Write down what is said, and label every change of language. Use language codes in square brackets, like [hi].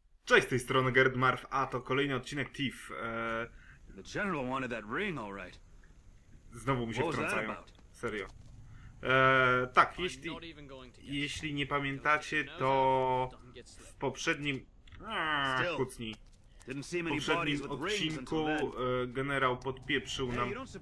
[pl] Cześć, z tej strony Gerd Marf, a to kolejny odcinek Thief. [en] The general wanted that ring, all right. [pl] Znowu mi się [en] What was that [pl] wtrącają. [en] About? [pl] Serio. Tak, jeśli nie pamiętacie, to w poprzednim... kucni. W poprzednim odcinku generał podpieprzył nam...